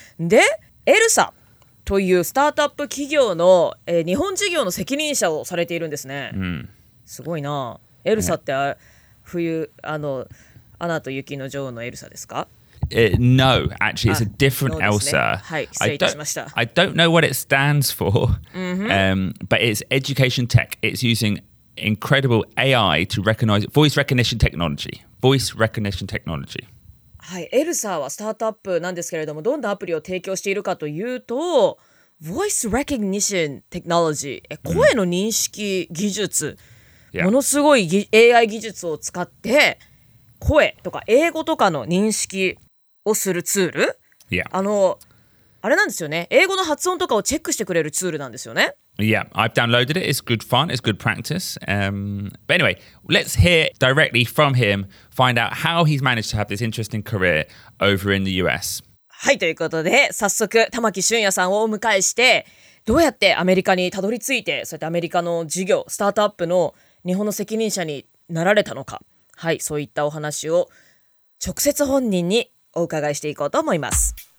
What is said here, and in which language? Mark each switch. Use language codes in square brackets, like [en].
[ja] で、ELSAというスタートアップ企業の、日本事業の責任者をされているんですね。すごいな。 ELSAって、冬あのアナと雪の女王のエルサですか？ [en] No, actually, it's a different Elsa.、 [ja] ね、はい、失礼いたしました。 [en] I don't know what it stands for,、 mm-hmm. But it's education tech. It's using incredible AI to recognize voice recognition technology. Voice recognition technology. [ja] はい、エルサはスタートアップなんですけれども、どんなアプリを提供しているかというと、 [en] voice recognition technology、 [ja] 声の認識技術。Yeah. ものすごい AI 技術を使って声とか英語とかの認識をするツール、 [en] yeah. [ja] あれなんですよね、英語の発音とかをチェックしてくれるツールなんですよね。 [en] Yeah, I've downloaded it. It's good fun. It's good practice. But anyway, let's hear directly from him. Find out how he's managed to have this interesting career over in the US. [ja] はい、ということで早速玉木俊也さんをお迎えして、どうやってアメリカにたどり着いて、そうやってアメリカの事業、スタートアップの日本の責任者になられたのか、はい、そういったお話を直接本人にお伺いしていこうと思います。